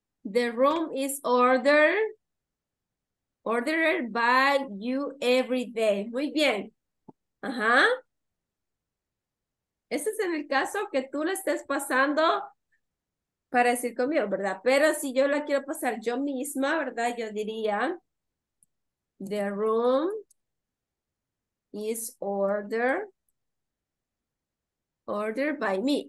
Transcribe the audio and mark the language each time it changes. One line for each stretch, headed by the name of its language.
English: The room is ordered by you every day.
Spanish: Muy bien. Ajá. Ese es en el caso que tú lo estés pasando para decir conmigo, ¿verdad? Pero si yo la quiero pasar yo misma, ¿verdad? Yo diría,
English: the room is ordered by me.